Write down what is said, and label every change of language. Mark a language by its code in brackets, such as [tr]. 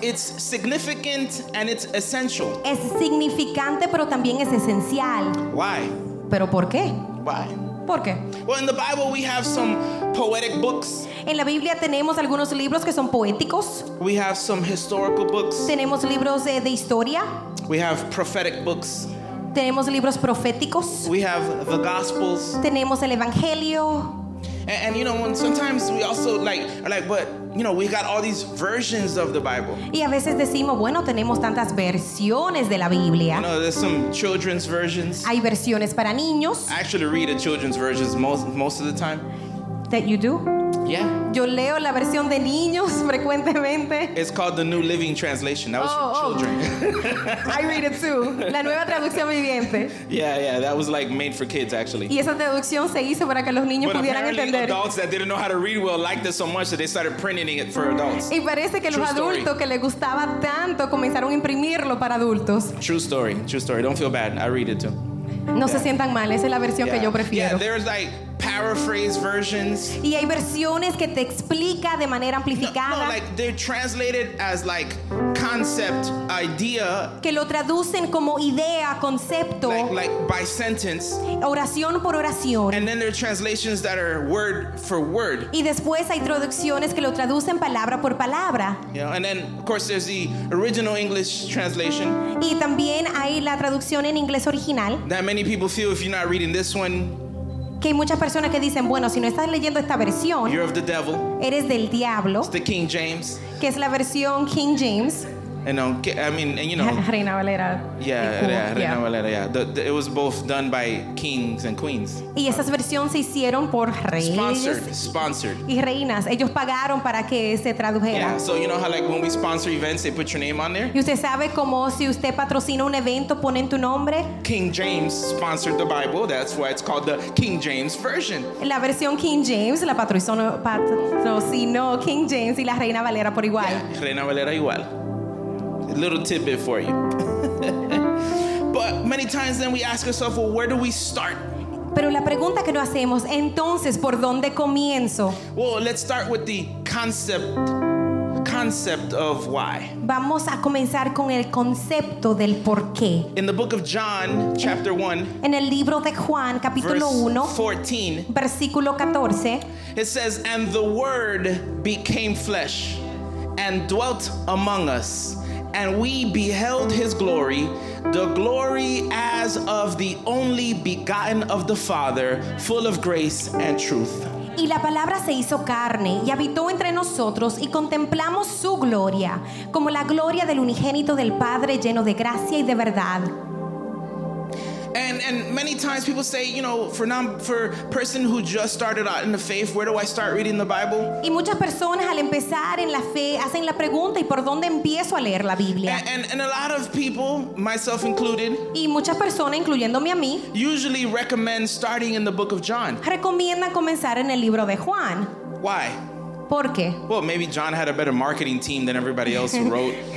[en] It's significant and it's essential. [es] Es significante, pero también es esencial. [en] Why? [es] ¿Pero por qué? [en] Why? [es] ¿Por qué? [en] Well, in the Bible we have some poetic books. [es] En la Biblia tenemos algunos libros que son poéticos. [en] We have some historical books. [es] Tenemos libros de historia. [en] We have prophetic books. [es] Tenemos libros proféticos. [en] We have the Gospels. [es] Tenemos el Evangelio. [en] And you know, when sometimes we also like, but you know, we got all these versions of the Bible. [es] Y a veces decimos, bueno, tenemos tantas versiones de la Biblia. [en] You know, there's some children's versions. [es] Hay versiones para niños. [en] I actually read a children's versions most of the time. That you do? Yeah. [es] Yo leo la versión de niños frecuentemente. [en] It's called the New Living Translation. That was for children. I read it too. [es] La nueva traducción viviente. [en] Yeah, that was like made for kids actually. [es] Y esa traducción se hizo para que los niños [en] but [es] pudieran entender. [en] But apparently, adults that didn't know how to read well liked it so much that they started printing it for adults. [es] Y parece que [en] true [es] los adultos [en] story. [es] Que les gustaba tanto comenzaron a imprimirlo para adultos. [en] True story. Don't feel bad. I read it too. [es] No yeah. se sientan mal. Esa es la versión [en] yeah. [es] que yo prefiero. [en] Yeah, there's like. Paraphrase versions. [es] Y hay versiones que te explica de manera amplificada. [en] No, like they're translated as like concept, idea. [es] Que lo traducen como idea, concepto. [en] Like by sentence. [es] Oración por oración. [en] And then there are translations that are word for word. [es] Y después hay traducciones que lo traducen palabra por palabra. [en] You know, and then of course there's the original English translation. [es] Y también hay la traducción en inglés original. [en] That many people feel if you're not reading this one. [es] Que hay muchas personas que dicen, bueno, si no estás leyendo esta versión, [en] you're of the devil. [es] Eres del diablo. [en] It's the King James. [es] Que es la versión King James. [en] And I mean, and you know, [es] Reina Valera. [en] Yeah, Reina Valera. Yeah, it was both done by kings and queens. [es] Y esas versiones se hicieron por reyes. [en] Sponsored. [es] Y reinas, ellos pagaron para que se tradujera. [en] Yeah, so you know how like when we sponsor events, they put your name on there. [es] Y usted sabe como si usted patrocina un evento, ponen tu nombre. [en] King James sponsored the Bible. That's why it's called the King James version. [es] La versión King James la patrocinó King James y la Reina Valera por igual. [en] Yeah, Reina Valera igual. Little tidbit for you. But many times then we ask ourselves, well, where do we start? [es] Pero la pregunta que nos hacemos, entonces, ¿por dónde comienzo? [en] Well, let's start with the concept of why. [es] Vamos a comenzar con el concepto del por qué. [en] In the book of John, chapter 1. [es] En el libro de Juan, capítulo 1. [en] Verse 14. [es] Versículo 14. [en] It says, and the word became flesh and dwelt among us. And we beheld his glory, the glory as of the only begotten of the Father, full of grace and truth. [es] Y la palabra se hizo carne y habitó entre nosotros y contemplamos su gloria, como la gloria del unigénito del Padre, lleno de gracia y de verdad. [en] And many times people say, you know, for a person who just started out in the faith, where do I start reading the Bible? [es] Y muchas personas al empezar en la fe hacen la pregunta, ¿y por dónde empiezo a leer la Biblia? [en] And a lot of people, myself included, [es] y muchas personas, incluyéndome a mí, [en] usually recommend starting in the book of John. [es] Recomiendan comenzar en el libro de Juan. [en] Why? [es] ¿Por qué? [en] Well, maybe John had a better marketing team than everybody else who wrote.